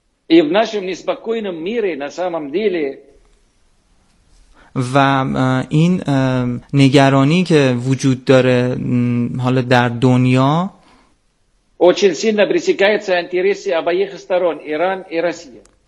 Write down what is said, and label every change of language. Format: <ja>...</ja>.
<ru>و в нашем неспокойном мире на самом деле</ru> <fa>و این نگرانی که وجود داره حالا در دنیا</fa> <ru>очень сильно пересекаются интересы обеих сторон Иран и Россия.</ru>